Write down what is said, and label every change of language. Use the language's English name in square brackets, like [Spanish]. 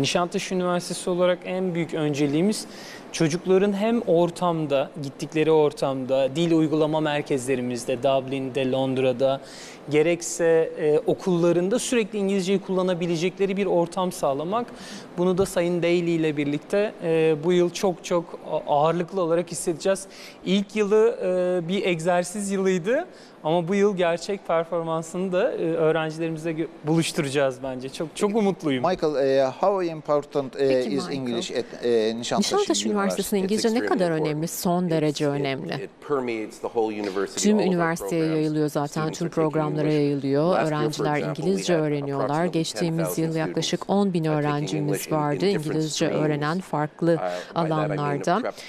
[Turkish] Nişantaşı Üniversitesi olarak en büyük önceliğimiz çocukların hem ortamda, gittikleri ortamda, dil uygulama merkezlerimizde, Dublin'de, Londra'da, gerekse okullarında sürekli İngilizceyi kullanabilecekleri bir ortam sağlamak. Bunu da Sayın Daly ile birlikte birlikte bu yıl çok çok ağırlıklı olarak hissedeceğiz. İlk yılı bir egzersiz yılıydı ama bu yıl gerçek performansını da öğrencilerimize buluşturacağız bence. Çok çok umutluyum. [English] Michael, how important is English at [Turkish] Nişantaşı Üniversitesi'nin İngilizce ne kadar önemli? Son derece önemli. Tüm üniversiteye yayılıyor zaten, tüm programlara yayılıyor. Öğrenciler İngilizce öğreniyorlar. Geçtiğimiz yıl yaklaşık 10 bin öğrencimiz vardı İngilizce öğrenen farklı alanlarda.